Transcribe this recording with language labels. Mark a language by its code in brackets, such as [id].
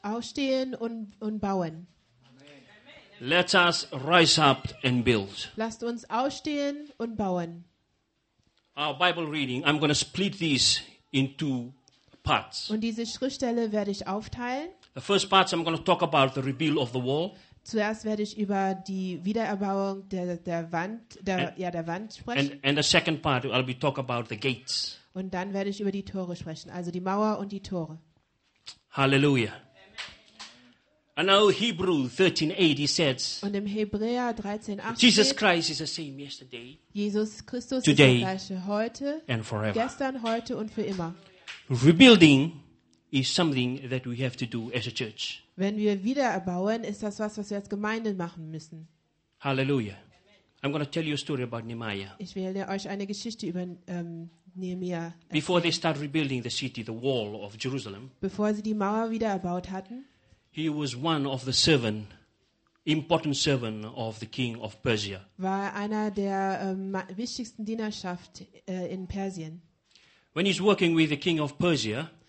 [de] Aufstehen und bauen. Amen. [en] Let us rise up and build. [de] Lasst uns aufstehen und bauen. [en] Our Bible reading, I'm going to split this into parts. [de] Und diese Schriftstelle werde ich aufteilen. [en] The first part I'm going to talk about the rebuild of the wall. [de] Zuerst werde ich über die Wiedererbauung der Wand sprechen. [en] And the second part, I'll be talking about the gates. [de] Und dann werde ich über die Tore sprechen, also die Mauer und die Tore. [en] Halleluja. And now Hebrews 13:8 he says. [de] Und im Hebräer 13:8. [en] Jesus Christ is the same yesterday. [de] Jesus Christus [en] today, [de] ist der gleiche heute. [en] And forever. [de] Gestern, heute und für immer. [en] Rebuilding is something that we have to do as a church. [de] Wenn wir wiedererbauen, ist das was wir als Gemeinde machen müssen. Halleluja. [en] I'm going to tell you a story about Nehemiah. [de] Ich will euch eine Geschichte über Nehemiah erzählen. [en] Before they start rebuilding the city, the wall of Jerusalem. [de] Bevor sie die Mauer wiedererbaut hatten. [en] He was one of the important servant of the king of Persia. [de] War einer der wichtigsten Dienerschaft in Persien. [en] When he's working with the king of Persia,